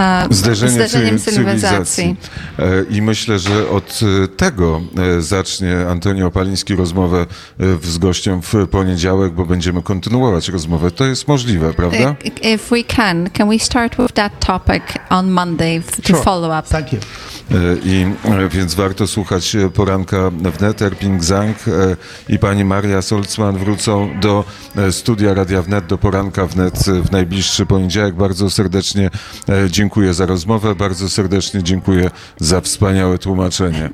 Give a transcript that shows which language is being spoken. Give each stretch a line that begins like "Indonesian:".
Polish: Zderzenie cywilizacji. I myślę, że od tego zacznie Antoni Opaliński rozmowę z gościem w poniedziałek, bo będziemy kontynuować rozmowę. To jest możliwe, prawda?
English: If we can we start with that topic on Monday, sure. To follow up? Thank you.
Polish: I więc warto słuchać Poranka Wnet, Erping Zhang i pani Maria Solcman wrócą do studia Radia Wnet, do Poranka Wnet w najbliższy poniedziałek. Bardzo serdecznie dziękuję za rozmowę, bardzo serdecznie dziękuję za wspaniałe tłumaczenie.